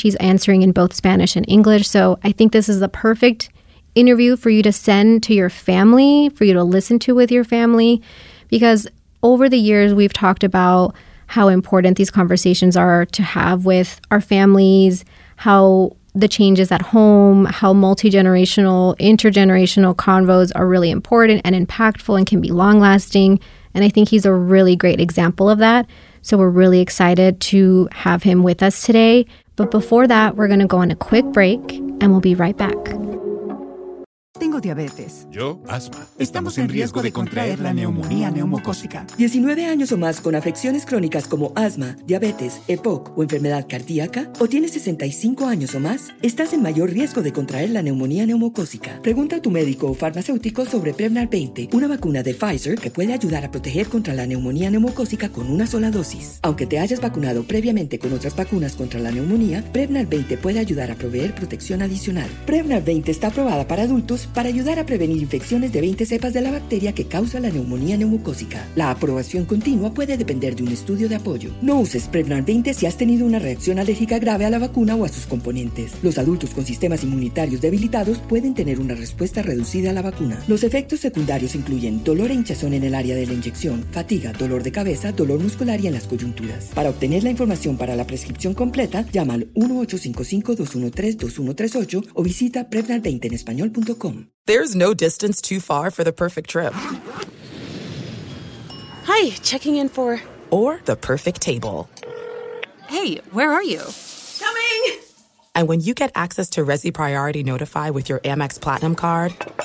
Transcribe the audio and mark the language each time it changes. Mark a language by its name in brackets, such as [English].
[English] He's answering in both Spanish and English. So I think this is the perfect interview for you to send to your family, for you to listen to with your family, because over the years, we've talked about how important these conversations are to have with our families, how the changes at home, how multi-generational, intergenerational convos are really important and impactful and can be long-lasting. And I think he's a really great example of that. So we're really excited to have him with us today. But before that, we're going to go on a quick break and we'll be right back. [Spanish] Tengo diabetes. Yo, asma. Estamos en riesgo de contraer la neumonía neumocócica. 19 años o más con afecciones crónicas como asma, diabetes, EPOC o enfermedad cardíaca, o tienes 65 años o más, estás en mayor riesgo de contraer la neumonía neumocócica. Pregunta a tu médico o farmacéutico sobre Prevnar 20, una vacuna de Pfizer que puede ayudar a proteger contra la neumonía neumocócica con una sola dosis. Aunque te hayas vacunado previamente con otras vacunas contra la neumonía, Prevnar 20 puede ayudar a proveer protección adicional. Prevnar 20 está aprobada para adultos para ayudar a prevenir infecciones de 20 cepas de la bacteria que causa la neumonía neumocócica. La aprobación continua puede depender de un estudio de apoyo. No uses Prevnar 20 si has tenido una reacción alérgica grave a la vacuna o a sus componentes. Los adultos con sistemas inmunitarios debilitados pueden tener una respuesta reducida a la vacuna. Los efectos secundarios incluyen dolor e hinchazón en el área de la inyección, fatiga, dolor de cabeza, dolor muscular y en las coyunturas. Para obtener la información para la prescripción completa, llama al 1-855-213-2138 o visita Prevnar20enespañol.com. [English] There's no distance too far for the perfect trip. Hi, checking in for... Or the perfect table. Hey, where are you? Coming! And when you get access to Resi Priority Notify with your Amex Platinum card...